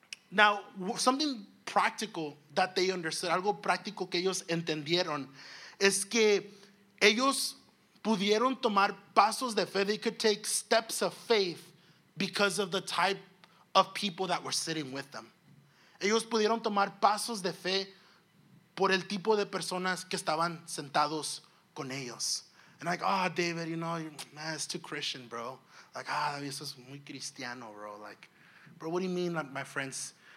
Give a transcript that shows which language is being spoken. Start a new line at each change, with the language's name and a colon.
English: Now something practical that they understood,
Spanish: algo práctico que ellos entendieron, es que ellos pudieron tomar pasos de fe.
English: They could take steps of faith because of the type of people that were sitting with them.
Spanish: Ellos pudieron tomar pasos de fe por el tipo de personas que estaban sentados con ellos.
English: And like, oh, David, you know, man, it's too Christian, bro. Like, David,
Spanish: eso es muy cristiano,
English: bro. Like, bro, what do you mean, like, my friends?